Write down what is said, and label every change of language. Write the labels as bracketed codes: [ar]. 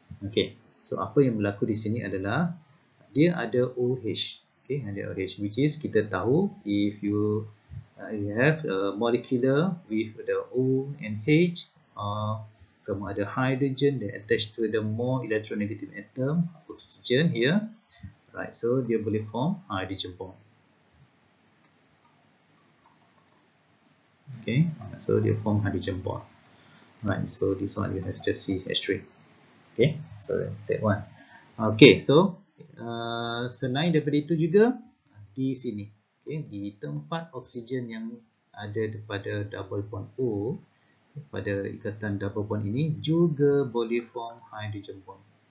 [ms] Okay, so apa yang berlaku di sini adalah dia ada OH. [en] Okay, ada OH, which is [ms] kita tahu [en] if you you have a molecular with the O and H, kamu ada hydrogen that attached to the more electronegative atom, oxygen here. Right, so [ms] dia boleh [en] form hydrogen bond. Okay, so dia form hydrogen bond. Right, so this one you have just CH3. Okay, so that one. [ms] Okay, so selain daripada itu juga di sini, okay, di tempat oksigen yang ada daripada double bond O, pada ikatan double bond ini juga boleh form hydrogen bond.